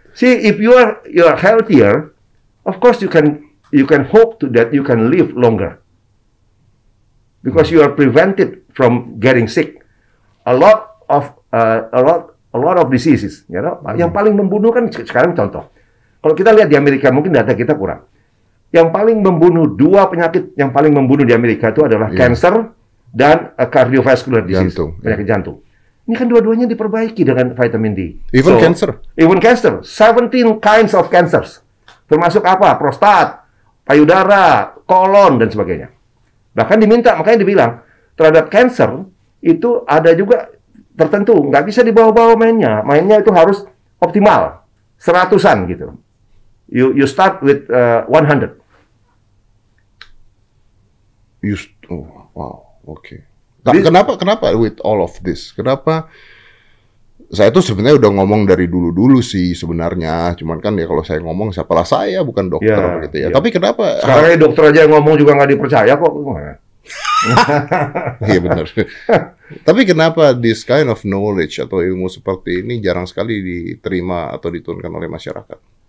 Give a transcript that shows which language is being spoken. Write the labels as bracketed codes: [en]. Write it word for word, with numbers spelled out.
[en] See, if you are you are healthier, of course you can you can hope to that you can live longer because mm. you are prevented from getting sick. A lot of uh, a lot a lot of diseases, you know. [id] Mm. Yang paling membunuh kan sekarang contoh. Kalau kita lihat di Amerika mungkin data kita kurang. Yang paling membunuh dua penyakit yang paling membunuh di Amerika itu adalah yeah. [en] cancer. [id] Dan uh, cardiovascular disease, jantung, penyakit yeah. jantung. Ini kan dua-duanya diperbaiki dengan vitamin D. [en] Even so, cancer? Even cancer. seventeen kinds of cancers. [id] Termasuk apa? Prostat, payudara, kolon, dan sebagainya. Bahkan diminta, makanya dibilang, terhadap cancer, itu ada juga tertentu. Nggak bisa dibawa-bawa mainnya. Mainnya itu harus optimal. Seratusan gitu. [en] You, you start with uh, one hundred. You st- oh, wow. Oke. Okay. [id] Kenapa kenapa [en] with all of this? [id] Kenapa saya tuh sebenarnya udah ngomong dari dulu-dulu sih sebenarnya, cuman kan ya kalau saya ngomong siapalah saya bukan dokter ya, gitu ya. ya. Tapi kenapa sekarang dokter aja yang ngomong juga nggak dipercaya kok. Iya benar. Tapi kenapa [en] this kind of knowledge [id] atau ilmu seperti ini jarang sekali diterima atau diturunkan oleh masyarakat?